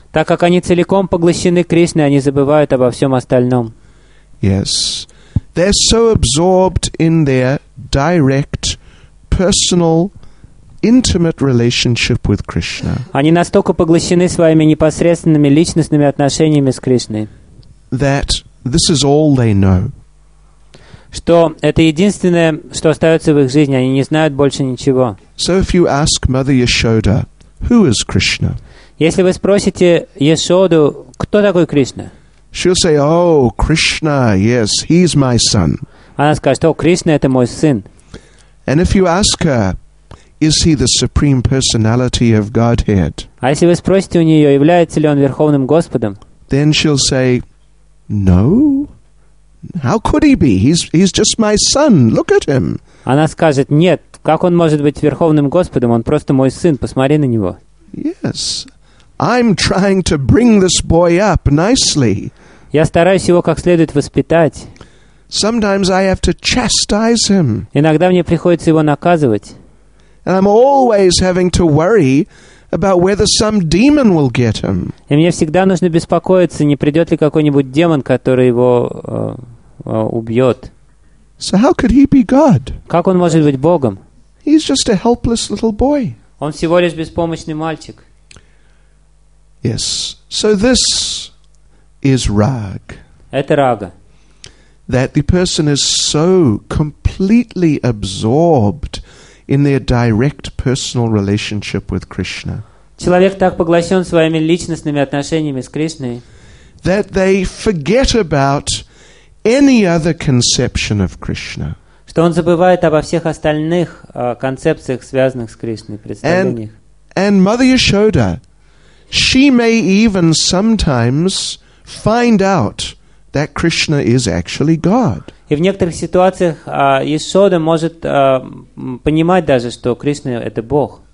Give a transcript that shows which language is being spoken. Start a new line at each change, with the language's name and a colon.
Russian: Так как они целиком поглощены Кришной, они забывают обо всем остальном.
English: Yes. They're so absorbed in their direct, personal intimate relationship with Krishna.
Russian: Они настолько поглощены своими непосредственными личностными отношениями с Кришной.
English: That this is all they know.
Russian: Что это единственное, что остается в их жизни, они не знают больше ничего.
English: So if you ask Mother Yashoda, who is Krishna?
Russian: Если вы спросите Яшоду, кто такой Кришна?
English: She'll say, "Oh, Krishna, yes, he's my son."
Russian: Она скажет, "О, Кришна это мой сын."
English: And if you ask her, is he the Supreme Personality of Godhead?
Russian: А если вы спросите у нее, является ли он Верховным Господом?
English: Then she'll say, no. How could he be? He's just my son. Look at him.
Russian: Она скажет, нет, как он может быть Верховным Господом? Он просто мой сын, посмотри на него.
English: Yes. I'm trying to bring this boy up nicely.
Russian: Я стараюсь его как следует воспитать.
English: Sometimes I have to chastise him.
Russian: Иногда мне приходится его наказывать.
English: And I'm always having to worry about whether some demon will get him.
Russian: И мне всегда нужно беспокоиться, не придет ли какой-нибудь демон, который его убьет.
English: So how could he be God?
Russian: Как он может быть Богом?
English: He's just a helpless little boy.
Russian: Он всего лишь беспомощный мальчик.
English: Yes. So this is rag.
Russian: Это рага.
English: That the person is so completely absorbed in their direct personal relationship with Krishna.
Russian: Человек так поглощен своими личностными отношениями с Кришной,
English: that they forget about any other conception of Krishna.
Russian: Что он забывает обо всех остальных концепциях, связанных с Кришной, представлениях.
English: And Mother Yashoda, she may even sometimes find out that Krishna is actually God.
Russian: И в некоторых ситуациях Яшода может понимать даже, что Кришна – это Бог.